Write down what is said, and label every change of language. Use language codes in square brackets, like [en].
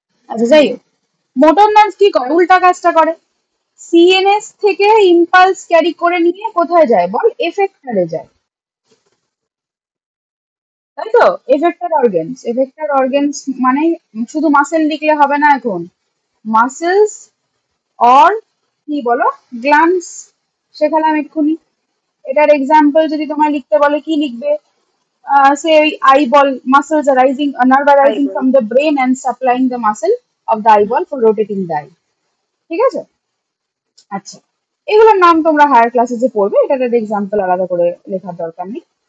[bn] আচ্ছা যাই হোক, মোটর নার্ভ কি করে, উল্টা কাজটা করে, সিএনএস থেকে ইম্পালস ক্যারি করে নিয়ে কোথায় যায় বল, এফেক্টরে যায়, তাই তো? এফেক্টর অর্গানস, এফেক্টর অর্গানস মানে শুধু মাসেল লিখলে হবে না, এখন মাসেলস অর কি বলো গ্ল্যান্ডস শেখালাম এক্ষুনি, এটার এক্সাম্পল যদি তোমায় লিখতে বলে কি লিখবে, [en] say eyeball muscles arising, nerve arising from the brain and supplying the muscle of the eyeball for rotating the eye. [bn] ঠিক আছে? আচ্ছা, এগুলোর নাম তোমরা হায়ার ক্লাসে যে পড়বে এটার একটা এক্সাম্পল আলাদা করে লেখার দরকার নেই।